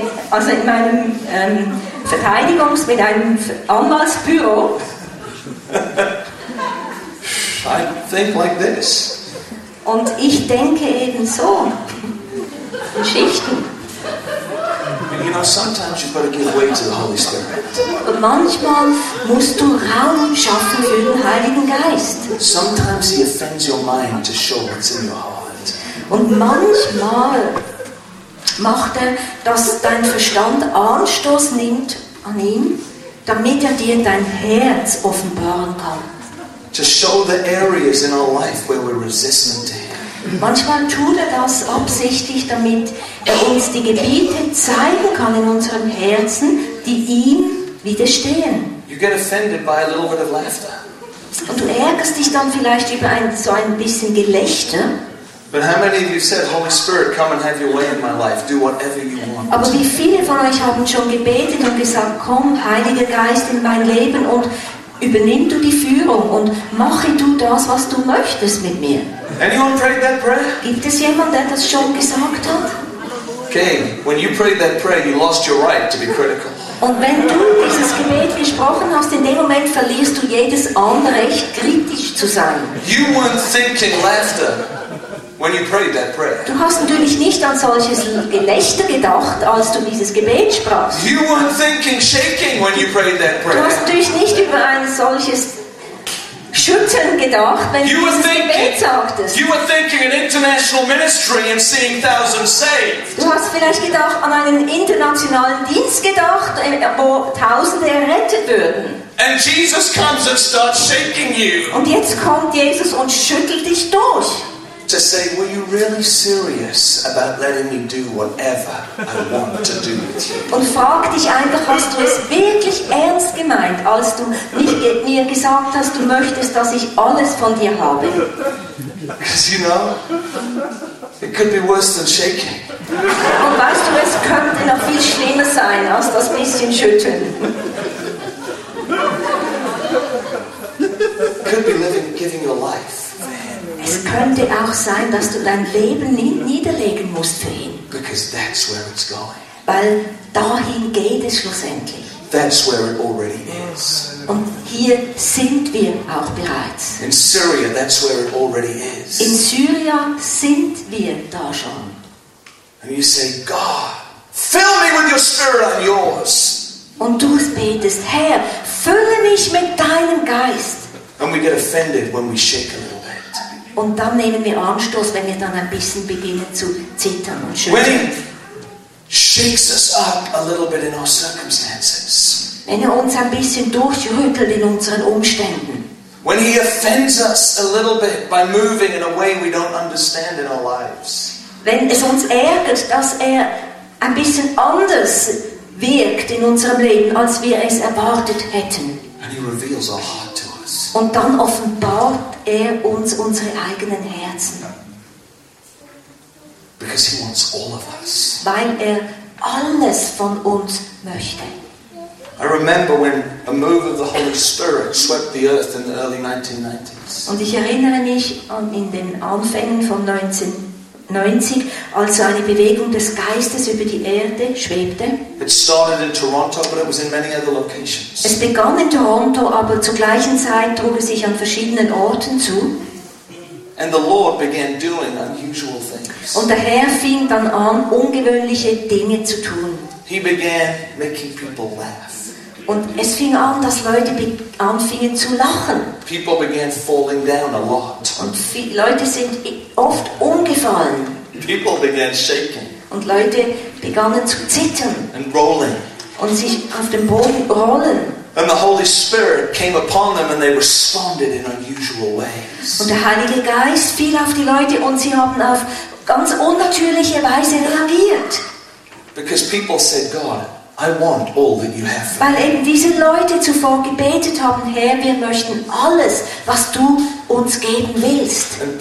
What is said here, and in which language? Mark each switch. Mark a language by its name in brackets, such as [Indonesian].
[German] Also in meinem Verteidigungs-, mit einem Anwaltsbüro. [English] I think like this. [German] Und ich denke eben so. In Schichten. [English] You know, sometimes you've got to give way to the Holy Spirit. [German] Manchmal musst du Raum schaffen für den Heiligen Geist. [English] Sometimes he offends your mind to show what's in your heart. [German] Und manchmal macht er, dass dein Verstand Anstoß nimmt an ihm, damit er dir dein Herz offenbaren kann. [English] To show the areas in our life where we're resistant to him. [German] Manchmal tut er das absichtlich, damit er uns die Gebiete zeigen kann in unserem Herzen, die ihm widerstehen. [English] You get offended by a little bit of laughter. [German] Und du ärgerst dich dann vielleicht über so ein bisschen Gelächter. [English] But how many of you said, Holy Spirit, come and have your way in my life, do whatever you want? [German] Aber wie viele von euch haben schon gebetet und gesagt, komm, Heiliger Geist in mein Leben und übernimm du die Führung und mache du das, was du möchtest mit mir? [English] Anyone prayed that prayer? [German] Gibt es jemand, der das schon gesagt hat? [English] Okay, when you prayed that prayer, you lost your right to be critical. [German] Und wenn du dieses Gebet gesprochen hast, in dem Moment verlierst du jedes Anrecht, kritisch zu sein. [English] You weren't thinking laughter when you prayed that prayer. [German] Du hast natürlich nicht an solches Gelächter gedacht, als du dieses Gebet sprachst. [English] You weren't thinking shaking when you prayed that prayer. [German] Du hast natürlich nicht über ein solches Schütteln gedacht, wenn du dieses Gebet sagtest. [English] You were thinking an international ministry and seeing thousands saved. [German] Du hast vielleicht gedacht an einen internationalen Dienst gedacht, wo Tausende errettet würden. [English] And Jesus comes and starts shaking you. [German] Und jetzt kommt Jesus und schüttelt dich durch. [English] To say, were you really serious about letting me do whatever I want to do with you? [German] Und frag dich einfach, hast du es wirklich ernst gemeint, als du mir gesagt hast, du möchtest, dass ich alles von dir habe? [English] Because you know, it could be worse than shaking. [German] Und weißt du, es könnte noch viel schlimmer sein, als das bisschen schütteln. [English] It could be giving your life. [German] Es könnte auch sein, dass du dein Leben niederlegen musst für ihn. [English] Because that's where it's going. [German] Weil dahin geht es schlussendlich. [English] That's where it already is. [German] Und hier sind wir auch bereits. [English] In Syria, that's where it already is. [German] In Syria sind wir da schon. [English] And you say, God, fill me with your spirit, I'm yours. [German] Und du betest, Herr, fülle mich mit deinem Geist. [English] And we get offended when we shake a little. [German] Und dann nehmen wir Anstoß, wenn wir dann ein bisschen beginnen zu zittern und schütteln. [English] When he shakes us up a little bit in our circumstances. [German] Wenn er uns ein bisschen durchrüttelt in unseren Umständen. [English] When he offends us a little bit by moving in a way we don't understand in our lives. [German] Wenn es uns ärgert, dass er ein bisschen anders wirkt in unserem Leben, als wir es erwartet hätten. [English] And he reveals our heart to us. [German] Und dann offenbart er uns unsere eigenen Herzen. [English] Because he wants all of us. [German] Weil er alles von uns möchte. [English] I remember when a move of the Holy Spirit swept the earth in the early 1990s. [German] Und ich erinnere mich an in den Anfängen von 1990, als so eine Bewegung des Geistes über die Erde schwebte. [English] It started in Toronto, but it was in many other locations. [German] Es begann in Toronto, aber zur gleichen Zeit trug es sich an verschiedenen Orten zu. [English] And the Lord began doing unusual things. [German] Und der Herr fing dann an, ungewöhnliche Dinge zu tun. [English] He began making people laugh. [German] Und es fing an, dass Leute anfingen zu lachen. [English] People began falling down a lot. [German] Und Leute sind oft umgefallen. [English] People began shaking. [German] Und Leute begannen zu zittern. [English] And rolling. [German] Und sich auf dem Boden rollen. [English] And the Holy Spirit came upon them and they responded in unusual ways. [German] Und der Heilige Geist fiel auf die Leute und sie haben auf ganz unnatürliche Weise reagiert. [English] Because people said, God, I want all that you have for me. [German] Weil eben diese Leute zuvor gebetet haben, Herr, wir möchten alles, was du uns geben willst.